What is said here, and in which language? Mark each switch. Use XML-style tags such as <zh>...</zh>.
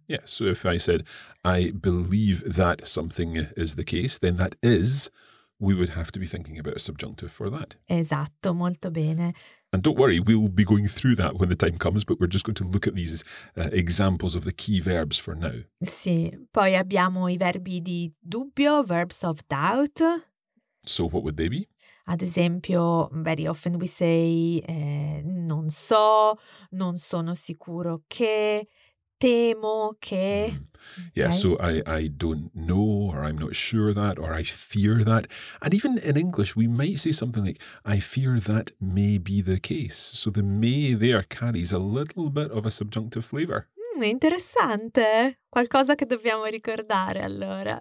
<en>Yeah, so if I said, I believe that something is the case, then that is, we would have to be thinking about a subjunctive for that.</en> <it>Esatto, molto bene.</it> <en>And don't worry, we'll be going through that when the time comes, but we're just going to look at these examples of the key verbs for now.</en> <it>Sì, poi abbiamo i verbi di dubbio,</it> <en>verbs of doubt. So what would they be?</en> <it>Ad esempio,</it> <en>very often we say</en> <it>non so, non sono sicuro che, temo che.</it> <en>Yeah, okay. So I don't know, or I'm not sure that, or I fear that. And even in English, we might say something like, I fear that may be the case. So the may there carries a little bit of a subjunctive flavor.</en> <it>Interessante. Qualcosa che dobbiamo ricordare allora.</it>